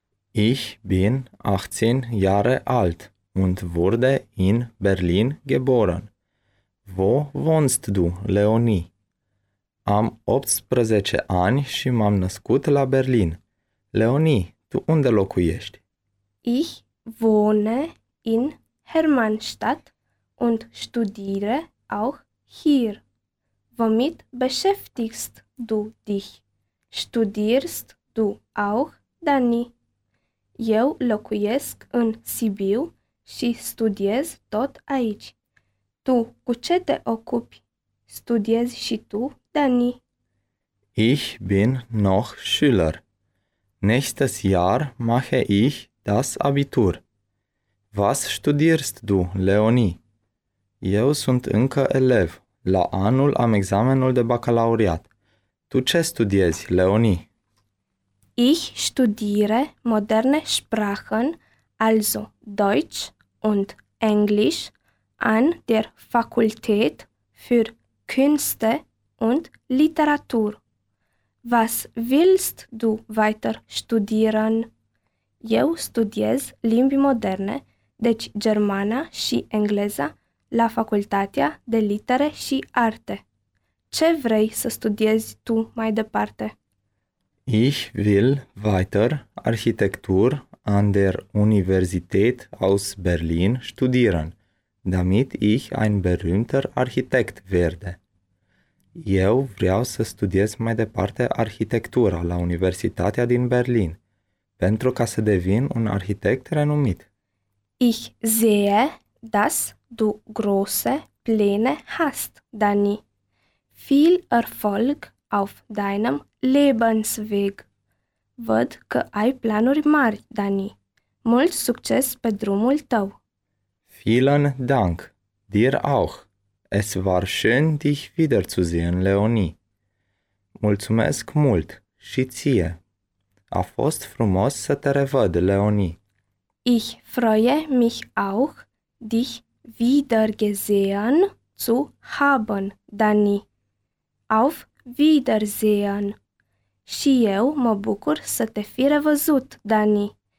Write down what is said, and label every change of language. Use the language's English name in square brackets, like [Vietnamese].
[German] Ich bin 18 Jahre alt und wurde in Berlin geboren. Wo wohnst du, Leonie? [Romanian] Am 18 ani și m-am născut la Berlin. Leonie, tu unde locuiești? [German] Ich wohne in Hermannstadt und studiere auch hier. Womit beschäftigst du dich? Studierst du auch, Dani? [Romanian] Eu locuiesc în Sibiu și studiez tot aici. Tu cu ce te ocupi? Studierst și tu, Dani? [German] Ich bin noch Schüler. Nächstes Jahr mache ich das Abitur. Was studierst du, Leonie? [Romanian] Eu sunt încă elev. La anul am examenul de bacalaureat. Tu ce studiezi, Leonie? [German] Ich studiere moderne Sprachen, also Deutsch und Englisch, an der Fakultät für Künste und Literatur. Was willst du weiter studieren? [Romanian] Eu studiez limbi moderne, deci germana și engleza, la Facultatea de Litere și Arte. Ce vrei să studiezi tu mai departe? [German] Ich will weiter Architektur an der Universität aus Berlin studieren, damit ich ein berühmter Architekt werde. [Romanian] Eu vreau să studiez mai departe arhitectura la Universitatea din Berlin, pentru ca să devin un arhitect renumit. [German] Ich sehe, dass du große Pläne hast, Dani. Viel Erfolg auf deinem Lebensweg. [Romanian] Văd că ai planuri mari, Dani. Mult succes pe drumul tău! [German] Vielen Dank, dir auch. Es war schön, dich wiederzusehen, Leonie. [Romanian] Mulțumesc mult și ție. A fost frumos să te revăd, Leonie. [German] Ich freue mich auch, dich wiedergesehen zu haben, Dani. Auf Wiedersehen. [Romanian] Și eu mă bucur să te fi revăzut, Dani.